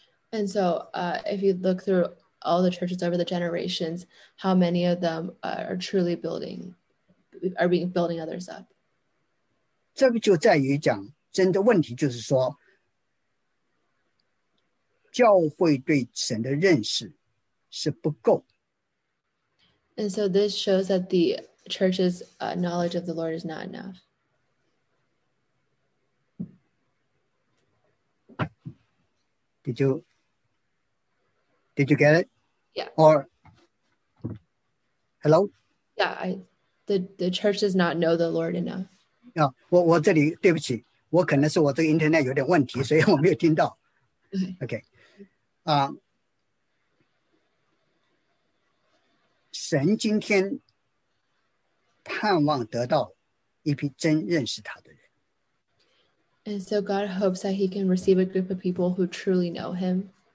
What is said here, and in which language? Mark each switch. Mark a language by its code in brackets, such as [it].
[en] And so, if you look through all the churches over the generations, how many of them are truly building, are being building others up? [zh] 这个就在于讲，真的问题就是说，教会对神的认识是不够。 [en] And so this shows that the church's knowledge of the Lord is not enough. Did you get it? Yeah. Or hello? Yeah, the church does not know the Lord enough. Yeah, [zh] 我这里, 对不起, 我可能是我这个 internet 有点问题, 所以我没有听到。 [en] Okay. Okay. [zh] 神今天盼望得到一批真认识他的人。 [en] And so God hopes that he can receive a group of people who truly know him.